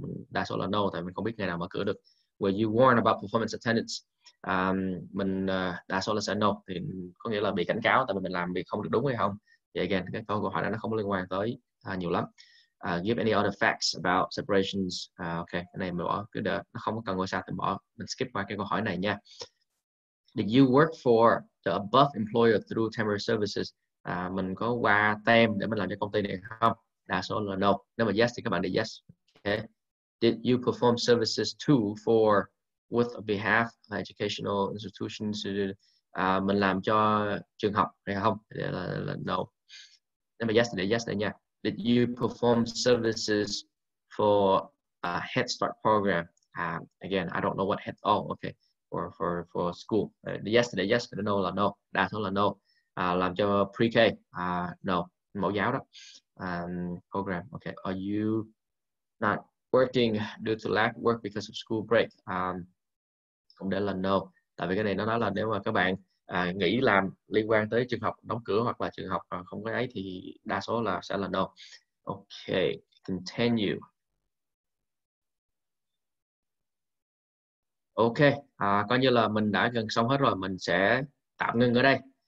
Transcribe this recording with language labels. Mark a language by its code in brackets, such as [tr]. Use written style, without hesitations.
[vi] Đa số là no, tại mình không biết ngày nào mở cửa được. [en] Were you warned about performance attendance? [vi] Mình đa số là sẽ no, thì có nghĩa là bị cảnh cáo tại vì mình làm việc không được đúng hay không. Thì again, cái câu hỏi này nó không liên quan tới nhiều lắm. [en] Give any other facts about separations. [vi] Okay, cái này mình bỏ, cứ đợi, nó không cần ngôi sao thì bỏ, mình skip qua cái câu hỏi này nha. [en] Did you work for the above employer through temporary services? [vi] Mình có qua tem để mình làm cho công ty này không? Đa số là no. Nếu mà yes thì các bạn để yes. Okay. [en] Did you perform services to, for, with, behalf of educational institutions? [vi] Mình làm cho trường học hay không? Để là no. Nếu mà yes thì để yes đây nha. [en] Did you perform services for a Head Start program? Again, I don't know what Head Start. Oh, okay. [vi] For school. Yes thì để yes, no là no. Đa số là no. Làm cho pre-K, no, mẫu giáo đó, program, okay. [en] Are you not working due to lack work because of school break? [vi] Cũng để là no, tại vì cái này nó nói là nếu mà các bạn nghỉ làm liên quan tới trường học đóng cửa hoặc là trường học không có ấy thì đa số là sẽ là no. [en] Okay, continue. [vi] Okay, coi như là mình đã gần xong hết rồi, mình sẽ tạm ngưng ở đây.